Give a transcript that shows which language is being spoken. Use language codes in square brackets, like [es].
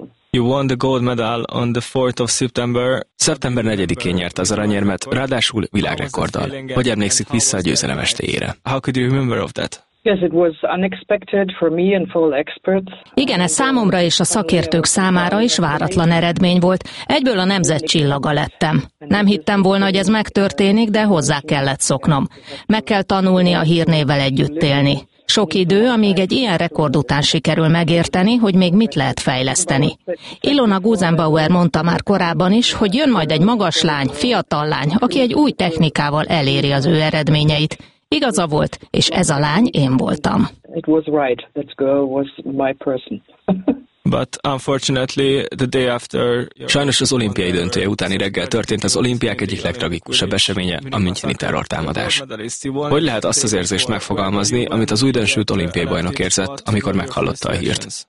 [en] You won the gold medal on the 4th of September. [hu] Szeptember 4-én nyert az aranyérmet, ráadásul világrekorddal. Hogy emlékszik vissza a győzelem estéjére? [en] How could you remember of that? Yes, it was unexpected for me and for all experts. [hu] Igen, ez számomra és a szakértők számára is váratlan eredmény volt. Egyből a nemzet csillaga lettem. Nem hittem volna, hogy ez megtörténik, de hozzá kellett szoknom. Meg kell tanulni a hírnévvel együtt élni. Sok idő, amíg egy ilyen rekord után sikerül megérteni, hogy még mit lehet fejleszteni. Ilona Gusenbauer mondta már korábban is, hogy jön majd egy magas lány, fiatal lány, aki egy új technikával eléri az ő eredményeit. Igaza volt, és ez a lány én voltam. [en] It was right. That girl was my person. But unfortunately, the day after. [hu] Sajnos az olimpiai döntője utáni reggel történt az olimpiák egyik legtragikusabb eseménye, a müncheni terrortámadás. Hogy lehet azt az érzést megfogalmazni, amit az újdonsült olimpiai bajnok érzett, amikor meghallotta a hírt?